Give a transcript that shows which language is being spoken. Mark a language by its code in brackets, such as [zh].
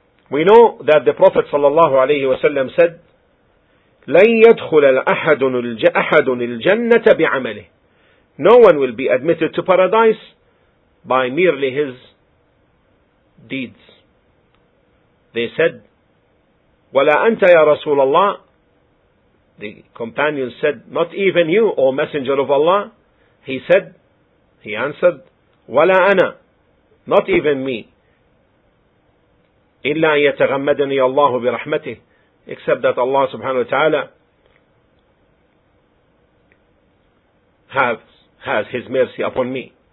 [en] We know that the Prophet ﷺ said, [ar] لَنْ يَدْخُلَ أَحَدٌ الْجَنَّةَ بِعَمَلِهِ. [en] No one will be admitted to paradise by merely his deeds. They said, [ar] وَلَا أَنْتَ يَا رَسُولَ اللَّهِ. [en] The companion said, not even you, O Messenger of Allah. He answered, [ar] وَلَا أَنَا. [en] Not even me. [ar] إِلَّا يَتَغَمَّدَنِي اللَّهُ بِرَحْمَتِهِ. [en] Except that Allah subhanahu wa ta'ala has His mercy upon me.